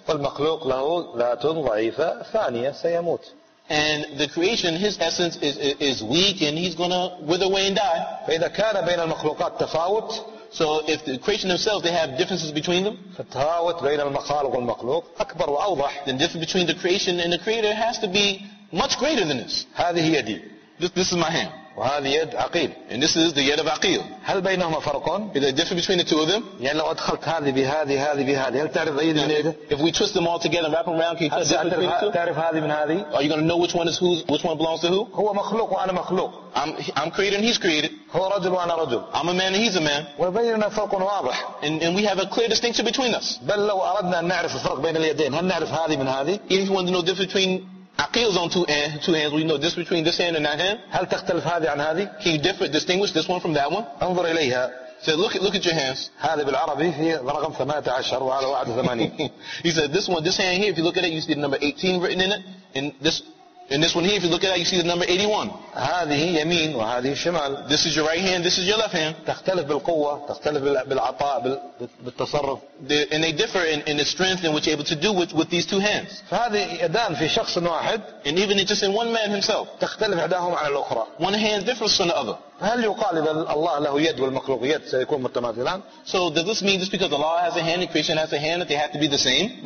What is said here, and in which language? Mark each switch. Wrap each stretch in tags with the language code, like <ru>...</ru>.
<ar>والمخلوق له ذات ضعيفة ثانية سيموت.</ar> <en>And the creation, his essence is weak and he's gonna wither away and die.</en> <ar>فإذا كان بين المخلوقات تفاوت.</ar> <en>So if the creation themselves, they have differences between them.</en> <ar>فالتفاوت بين المخالق والمخلوق أكبر وأوضح.</ar> <en>Then difference between the creation and the creator has to be much greater than this.</en> <ar>هذه يدي.</ar> <en>This is my hand.</en> <ar>وهذه يد عقيل.</ar> <en>And this is the yad of عقيل.</en> <ar>هل بينهما فرق؟</ar> <en>Is there a difference between the two of them?</en> <ar>يعني لو أدخلت هذه بهذه هذه بهذه هل تعرف أي من هذه؟</ar> <en>If we twist them all together and wrap them around, can you tell the difference between the two?</en> <ar>تعرف هذه من هذه؟</ar> <en>Are you going to know which one is who, which one belongs to who?</en> <ar>هو مخلوق وأنا مخلوق.</ar> <en>I'm created and he's created.</en> <ar>هو رجل وأنا رجل.</ar> <en>I'm a man and he's a man.</en> <ar>وبيننا فرق واضح.</ar> <en>And we have a clear distinction between us.</en> <ar>بل لو أردنا أن نعرف الفرق بين اليدين هل نعرف هذه من هذه؟</ar> <en>If you want to know the difference between Aqil's on two hands. We know this between this hand and that hand.</en> <ar>هل تختلف هذه عن هذه?</ar> <en>Can you distinguish this one from that one?</en> <ar>انظر إليها.</ar> <en>So look at your hands.</en> <ar>هذا بالعربي هي رقم 18 وعلى 81.</ar> <en>He said this one, this hand here. If you look at it, you see the number 18 written in it. And this one here, if you look at it, you see the number 81.</en> <ar>هذه يمين وهذه شمال.</ar> <en>This is your right hand. This is your left hand.</en> <ar>تختلف بالقوة. تختلف بالعطاء بالتصرف.</ar> <en>And they differ in the strength in which you're able to do with these two hands.</en> <ar>فهذه يدان في شخص واحد.</ar> <en>And even just in one man himself.</en> <ar>تختلف إحداهما على الأخرى.</ar> <en>One hand differs from the other.</en> <ar>هل يقال إذا الله له يد والمخلوق يد سيكون متماثلان؟</ar> <en>So does this mean just because Allah has a hand and creation has a hand that they have to be the same?</en>